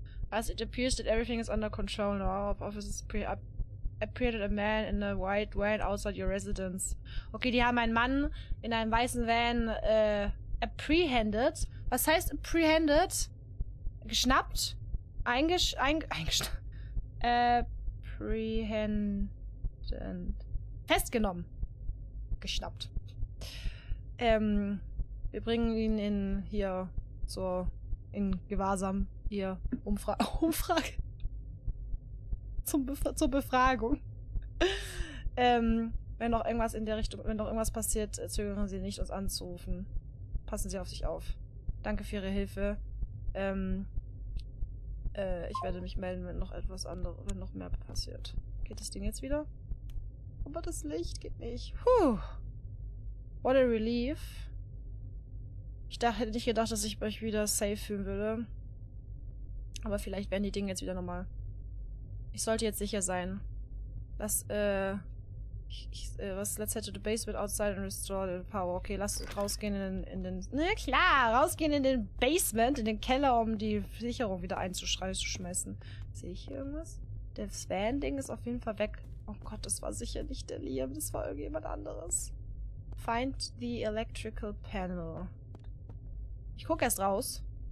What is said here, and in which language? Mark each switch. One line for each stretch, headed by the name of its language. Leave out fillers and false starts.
English: As it appears that everything is under control now, officers appeared a man in a white van outside your residence.
German: Okay, die haben einen Mann in einem weißen Van apprehended. Was heißt apprehended? Geschnappt? Apprehended. Festgenommen. Geschnappt. Wir bringen ihn in hier zur in Gewahrsam. Hier, Umfrage. zur Befragung. wenn noch irgendwas in der Richtung, wenn noch irgendwas passiert, zögern Sie nicht, uns anzurufen. Passen Sie auf sich auf. Danke für Ihre Hilfe. Ich werde mich melden, wenn noch mehr passiert. Geht das Ding jetzt wieder? Aber das Licht geht nicht. Puh.
English: What a relief.
German: Hätte nicht gedacht, dass ich mich wieder safe fühlen würde. Aber vielleicht werden die Dinge jetzt wieder normal. Ich sollte jetzt sicher sein.
English: Let's head to the basement outside and restore the power.
German: Okay, lass rausgehen rausgehen in den Basement, in den Keller, um die Sicherung wieder einzuschmeißen. Sehe ich hier irgendwas? Das Van-Ding ist auf jeden Fall weg. Oh Gott, das war sicher nicht der Liam, das war irgendjemand anderes.
English: Find the electrical panel.
German: Ich guck erst raus.